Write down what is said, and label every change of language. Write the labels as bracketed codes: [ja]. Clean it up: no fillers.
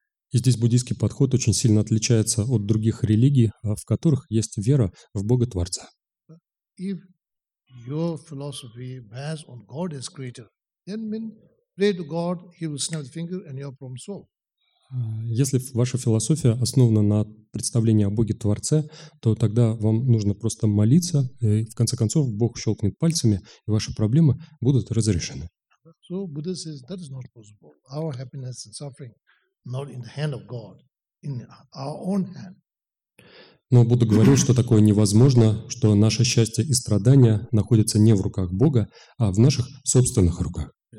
[ru] И здесь буддийский подход очень сильно отличается от других религий, в которых есть вера в Бога-творца. [en] If your philosophy based on God as creator, then mean pray to God, He will snap the finger and your problem solved. [ru] Если ваша философия основана на представлении о Боге-творце, то тогда вам нужно просто молиться, и в конце концов Бог щелкнет пальцами, и ваши проблемы будут разрешены. [en] So Buddha says that is not possible. Our happiness and suffering not in the hand of God, in our own hand. [ru] Но Будда говорил, что такое невозможно, что наше счастье и страдания находятся не в руках Бога, а в наших собственных руках.